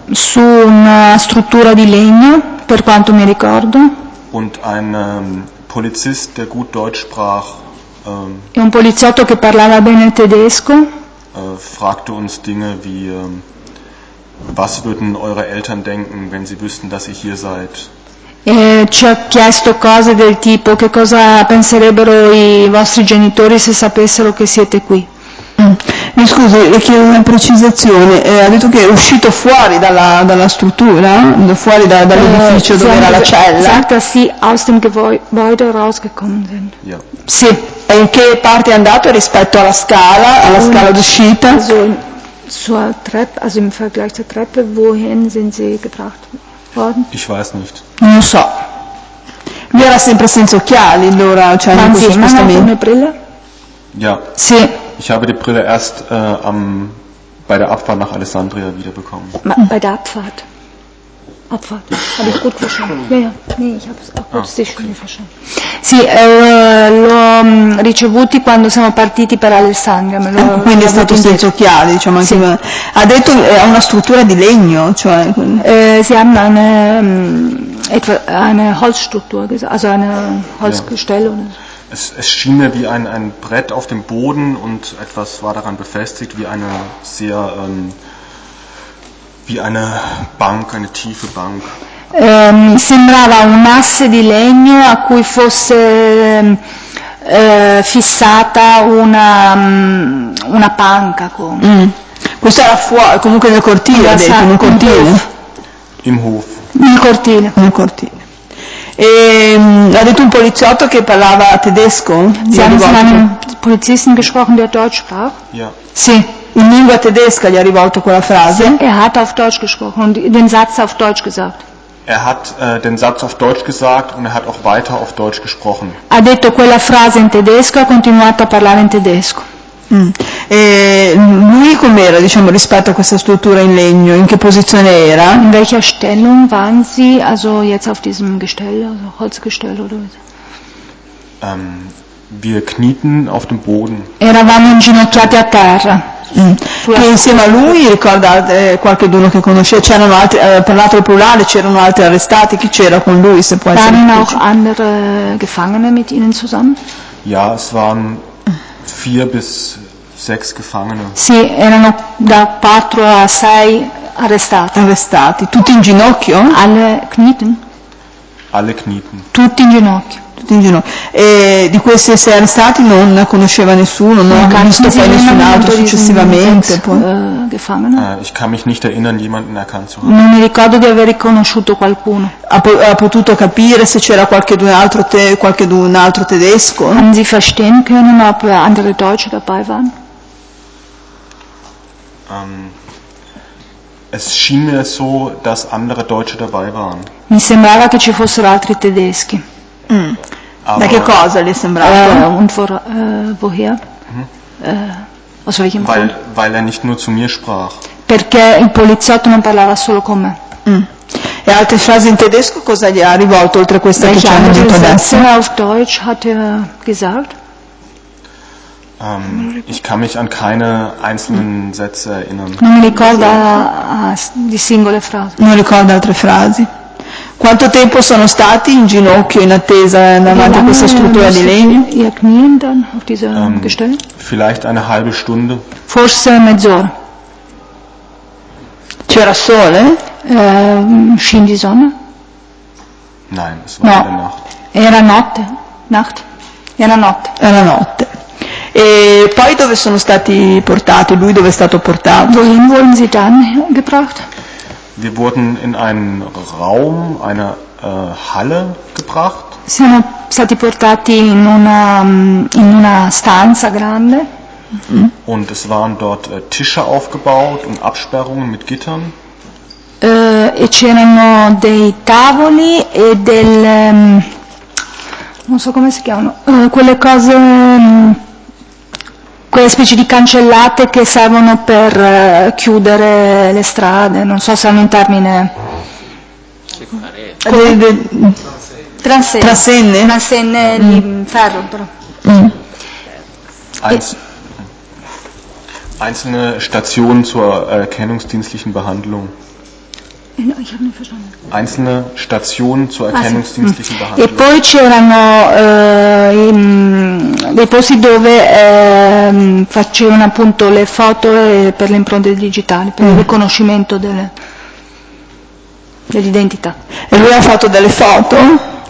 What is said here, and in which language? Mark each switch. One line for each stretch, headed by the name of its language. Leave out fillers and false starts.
Italian: Su una struttura di legno, per quanto mi ricordo.
German: Und ein Polizist, der gut Deutsch sprach.
Italian: E un poliziotto che parlava bene tedesco.
German: Fragte uns Dinge wie was würden eure Eltern denken, wenn sie wüssten, dass ihr hier seid?
Italian: Ci ha chiesto cose del tipo che cosa penserebbero i vostri genitori se sapessero che siete qui. Mi scusi, le chiedo una precisazione. Ha detto che è uscito fuori dalla struttura, fuori dall'edificio dove era la cella.
German: Sagte,
Italian: sì,
German: aus dem Gebäude rausgekommen sind. Ja.
Italian: Sì. E in che parte è andato rispetto alla scala d'uscita?
German: Also zur Treppe, also im Vergleich zur Treppe, wohin sind Sie gebracht worden? Ich weiß nicht.
Italian: Non so. Lui era sempre senza occhiali, allora, cioè in questo spostamento. Ma sì, non ha una brille?
German: Ja.
Italian: Sì.
German: Ich habe die Brille erst bei der Abfahrt nach Alessandria wiederbekommen. Bei der Abfahrt? Abfahrt, habe ich gut verstanden. Ja, nee, ich habe es auch gut verstanden.
Italian: Sì, l'ho ricevuti quando siamo partiti per Alessandria. Me lo, quindi è stato senza occhiali, diciamo. Sì. Anche, ha detto che ha una struttura di legno, cioè. Sì, hanno una
German: Holzstruktur, also
Italian: una
German: Holzgestell. Ja. Es schien mir wie ein Brett auf dem Boden und etwas war daran befestigt, wie eine sehr wie eine Bank, eine tiefe Bank.
Italian: Sembrava un asse di legno a cui fosse fissata una panca. Questo era fuori, comunque nel cortile, nel cortile.
German: Im Hof.
Italian: Nel cortile. E, ha detto un poliziotto che parlava tedesco?
German: Sie haben von einem Polizisten gesprochen, der Deutsch sprach? Ja.
Italian: Sì, in lingua tedesca gli ha rivolto quella frase. Sì,
German: er hat auf Deutsch gesprochen und den Satz auf Deutsch gesagt. Er hat den Satz auf Deutsch gesagt und er hat auch weiter auf Deutsch gesprochen.
Italian: Ha detto quella frase in tedesco, ha continuato a parlare in tedesco. E lui com'era, diciamo, rispetto a questa struttura in legno? In che posizione era?
German: In welcher Stellung waren Sie, also jetzt auf diesem Gestell, also Holzgestell oder so? Wir knieten auf dem Boden.
Italian: Eravamo inginocchiati a terra. Che insieme a lui ricorda qualcuno che conosceva, c'erano altri, parlato al plurale, c'erano altri arrestati, chi c'era con lui, se può essere.
German: Waren auch andere Gefangene mit ihnen zusammen? Ja, es waren 4 bis 6 Gefangene.
Italian: Sì, erano da 4 a 6 arrestati. Arrestati, tutti in ginocchio?
German: Alle knieten. Alle knieten.
Italian: Tutti in ginocchio. E di questi 6 arrestati non conosceva nessuno, non ha visto poi nessun altro successivamente.
German: Ich kann mich nicht erinnern, jemanden erkannt zu haben.
Italian: Non mi ricordo di aver riconosciuto qualcuno. Ha potuto capire se c'era qualche altro tedesco?
German: Haben Sie verstehen können, ob andere Deutsche dabei waren? Es schien mir so, dass andere Deutsche dabei waren.
Italian: Mi sembrava che ci fossero altri tedeschi. Da che cosa gli è sembrato?
German: Woher? Aus welchem Grund? Weil er nicht nur zu mir sprach.
Italian: Perché il poliziotto non parlava solo con me. E altre frasi in tedesco cosa gli ha rivolto oltre questa che ci hanno detto adesso?
German: Auf Deutsch hat er gesagt? Ich kann mich an keine einzelnen Sätze erinnern.
Italian: Non mi ricorda di singole frasi. Non ricorda altre frasi. Quanto tempo sono stati in ginocchio in attesa davanti a questa struttura di legno?
German: Ihr Knien dann auf dieser Gestell? Vielleicht eine halbe Stunde.
Italian: Forse mezz'ora. C'era sole?
German: Schien die Sonne? Nein, es war eine Nacht.
Italian: Era notte.
German: Nacht?
Italian: Era notte. Era notte. E poi dove sono stati portati? Lui dove è stato portato?
German: Wohin wurden sie dann gebracht? Wir wurden in einen Raum, eine Halle gebracht.
Italian: Siamo stati portati in una stanza grande.
German: Und es waren dort Tische aufgebaut und Absperrungen mit Gittern.
Italian: E c'erano dei tavoli e del non so come si chiamano quelle cose, quelle specie di cancellate che servono per chiudere le strade, non so se hanno un termine. Transenne. Transenne di ferro, però.
German: Einzelne Stationen zur erkennungsdienstlichen Behandlung. Einzelne Stationen zur erkennungsdienstlichen Behandlung.
Italian: E poi c'erano dei posti dove facevano appunto le foto per le impronte digitali, per il riconoscimento dell'identità. E lui ha fatto delle foto?